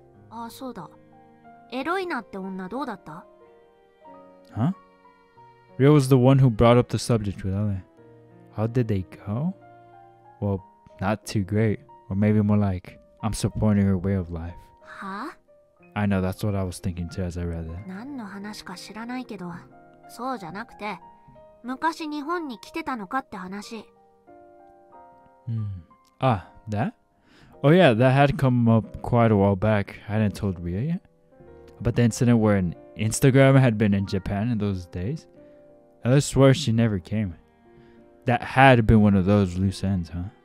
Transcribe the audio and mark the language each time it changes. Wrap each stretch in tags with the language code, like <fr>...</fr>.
<en>Ah, so da.</en> <ja>Eroinaって女どうだった?</ja> <en>Huh? Rio was the one who brought up the subject with Ellie. How did they go? Well, not too great. Or maybe more like, I'm supporting her way of life. Huh? I know, that's what I was thinking too as I read that.</en> <ja>何の話か知らないけど、そうじゃなくて、昔日本に来てたのかって話。</ja> <en>Ah, that? Oh yeah, that had come up quite a while back. I hadn't told Rhea yet. About the incident where an Instagram had been in Japan in those days? Ella swore she never came. That had been one of those loose ends, huh?</en>